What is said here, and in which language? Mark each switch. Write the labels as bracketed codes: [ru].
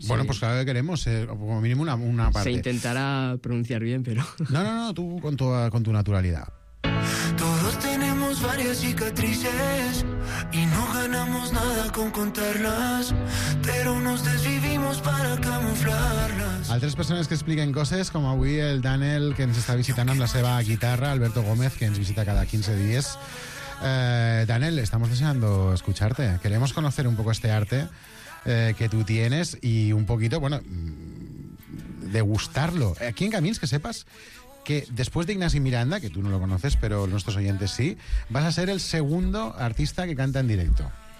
[es] Bueno, pues claro que queremos, como mínimo una parte. Se intentará pronunciar bien, pero... No, tú con tu naturalidad. Todos tenemos... tenemos varias cicatrices y no ganamos nada con contarlas, pero nos desvivimos para camuflarlas. [ca] Altres persones que expliquen coses, com avui el Daniel, que ens està visitant amb la seva guitarra, Alberto Gómez, que ens visita cada 15 dies. [es] Daniel, estamos deseando escucharte. Queremos conocer un poco este arte que tú tienes y un poquito, bueno, degustarlo. Aquí en Camins, que sepas que después de Ignasi Miranda, que tú no lo conoces, pero nuestros oyentes sí, vas a ser el segundo artista que canta en directo.